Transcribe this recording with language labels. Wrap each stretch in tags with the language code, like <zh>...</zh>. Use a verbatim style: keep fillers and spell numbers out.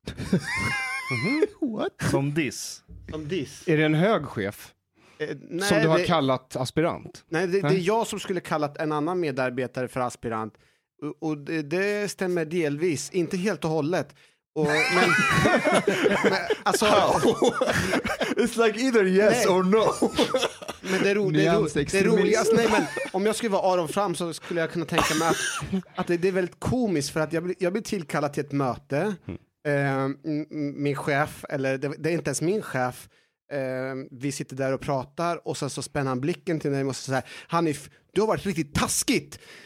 <sv>Mm-hmm. What? Som diss. Som diss. Är det en hög chef? Eh, nej, som du har det... kallat aspirant? Nej, det, nej, det är jag som skulle kallat en annan medarbetare för aspirant. Och, och det, det stämmer delvis. Inte helt och hållet. Och, men, men, alltså,</sv> <en>it's like either yes nej. Or no.</en> <sv>Men det är ro, det är ro, det är roligast. Nej, men om jag skulle vara Aron Fram så skulle jag kunna tänka mig att, att det, det är väldigt komiskt för att jag blir, jag blir tillkallad till ett möte. Mm. Eh, min chef, eller det, det är inte ens min chef. Eh, vi sitter där och pratar och sen så spänner han blicken till mig och så säger Hanif, du har varit riktigt taskigt.</sv>